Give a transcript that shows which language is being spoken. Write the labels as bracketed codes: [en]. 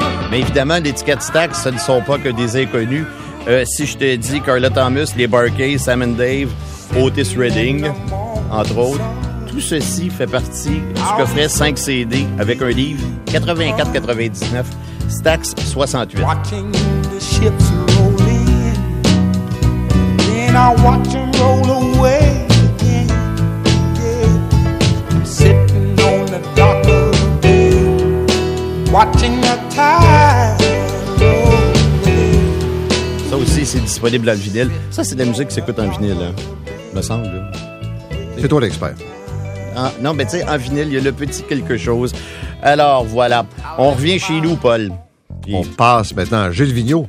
[fr] Mais évidemment, l'étiquette Stax, ce ne sont pas que des inconnus. Si je te dis Carla Thomas, les Barkays, Sam & Dave, Otis Redding, entre autres, tout ceci fait partie du coffret 5 CD avec un livre, 84,99. Stax 68. [en] Watching the ships roll in, then I watch them roll away again. Yeah. I'm sitting on the dock of the bay, watching the tide. [fr] Ça aussi, c'est disponible en vinyle. Ça, c'est de la musique qui s'écoute en vinyle, hein. Me semble. C'est toi l'expert. Ah, non, mais tu sais, en vinyle, il y a le petit quelque chose. Alors, voilà. On revient chez nous, Paul. On passe maintenant à Gilles Vigneault.